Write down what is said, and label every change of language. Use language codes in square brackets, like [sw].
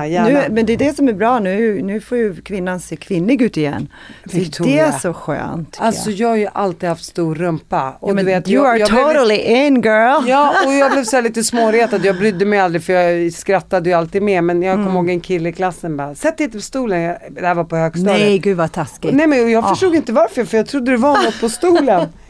[sv] Nu, men det är det som är bra nu. Nu får ju kvinnan se kvinnlig ut igen. Det är så skönt. Alltså jag har ju alltid haft stor rumpa. Och ja, du vet, [en] you are totally in, girl. [sv] Ja, och jag blev så lite småretad. Jag brydde mig aldrig för jag skrattade ju alltid med. Men jag kom ihåg en kille i klassen. Bara, sätt dig inte på stolen. Det var på högstadiet. Nej, gud vad taskigt. Nej, men jag förstod inte varför. För jag trodde det var något på stolen.